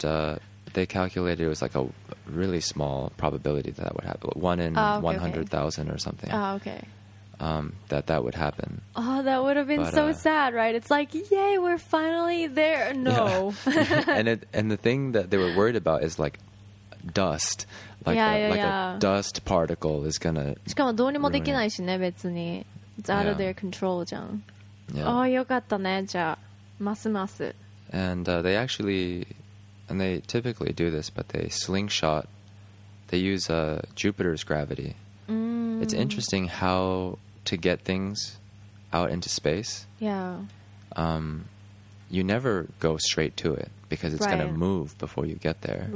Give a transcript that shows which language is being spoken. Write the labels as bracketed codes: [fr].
[en] And they calculated it was like a really small probability that would happen. One in 100,000 or something. Oh, okay. That would happen. Oh, that would have been But, so sad, right? It's like, yay, we're finally there. No. Yeah. and the thing that they were worried about is like dust. Like, yeah. a dust particle is gonna. [ja] しかもどうにもできないしね、別に。 [en] It's out of their control, [ja] じゃん。 [en] Yeah. [ja] Oh, よかったね、じゃあ。ますます。 [en] And they actually, and they typically do this, but they slingshot. They use Jupiter's gravity. It's interesting how to get things out into space, yeah, you never go straight to it because it's right. going to move before you get there.